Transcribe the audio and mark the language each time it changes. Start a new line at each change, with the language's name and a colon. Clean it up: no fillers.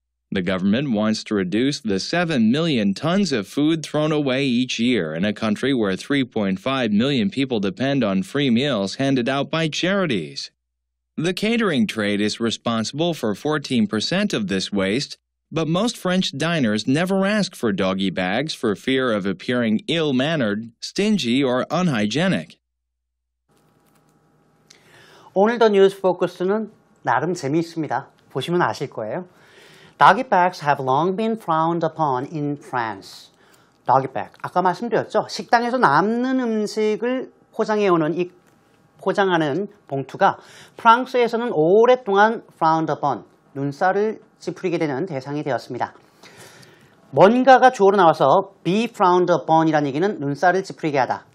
English: The government wants to reduce the 7 million tons of food thrown away each year in a country where 3.5 million people depend on free meals handed out by charities. The catering trade is responsible for 14% of this waste, but most French diners never ask for doggy bags for fear of appearing ill-mannered, stingy, or unhygienic.
Korean: 오늘 더 뉴스 포커스는 나름 재미있습니다. 보시면 아실 거예요.
English: Doggy bags have long been frowned upon in France.
Korean: Doggy bag. 아까 말씀드렸죠? 식당에서 남는 음식을 포장해오는 이 포장하는 봉투가 프랑스에서는 오랫동안
English: frowned upon,
Korean: 눈살을 찌푸리게 되는 대상이 되었습니다. 뭔가가 주어로 나와서
English: be frowned upon
Korean: 이라는 얘기는 눈살을 찌푸리게 하다.